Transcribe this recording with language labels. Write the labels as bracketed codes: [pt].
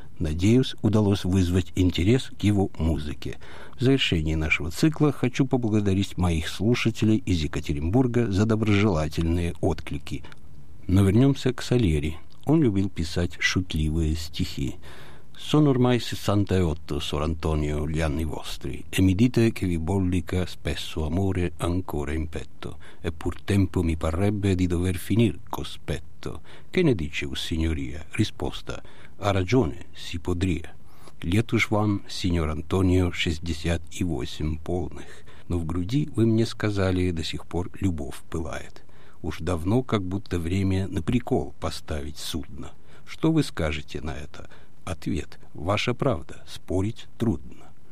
[ru] Надеюсь, удалось вызвать интерес к его музыке. В завершении нашего цикла хочу поблагодарить моих слушателей из Екатеринбурга за доброжелательные отклики. Но вернемся к Сальери. Он любил писать шутливые стихи. [it] «Sono ormai 68, Sor Antonio, gli anni vostri, e mi dite che vi bollica spesso amore ancora in petto, e pur tempo mi parrebbe di dover finir cospetto. Che ne dice, o signoria?» Risposta: «Ha ragione, si podria. [ru] Лет уж вам, сеньор Антонио, 68 полных, но в груди, вы мне сказали, до сих пор любовь пылает. Уж давно как будто время на прикол поставить судно. Что вы скажете на это?» Ответ: «Ваша правда, спорить трудно».